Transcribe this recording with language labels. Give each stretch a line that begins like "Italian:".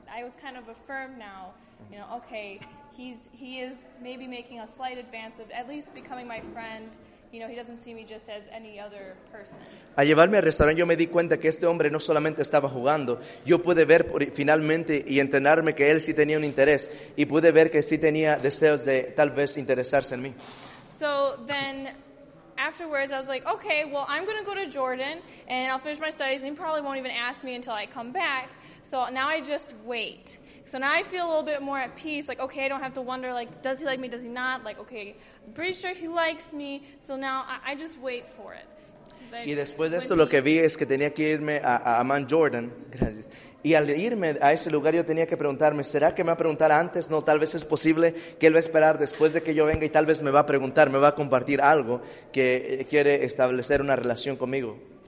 English: I was kind of affirmed now, you know, okay, he is maybe making a slight advance of at least becoming my friend. You know, he doesn't see me just as any other person.
Spanish: Al llevarme al restaurante, yo me di cuenta que este hombre no solamente estaba jugando. Yo pude ver finalmente y enterarme que él sí tenía un interés y pude ver que sí tenía deseos de tal vez interesarse en mí.
English: So then, afterwards, I was like, okay, well, I'm going to go to Jordan, and I'll finish my studies, and he probably won't even ask me until I come back. So now I just wait. So now I feel a little bit more at peace. Like, okay, I don't have to wonder, like, does he like me, does he not? Like, okay, I'm pretty sure he likes me. So now I just wait for it.
Spanish: Y después de esto, lo que vi es que tenía que irme a Amman, Jordan. Gracias. Y al irme a ese lugar, yo tenía que preguntarme, ¿será que me va a preguntar antes? No, tal vez es posible que él va a esperar después de que yo venga y tal vez me va a preguntar, me va a compartir algo que quiere establecer una relación conmigo.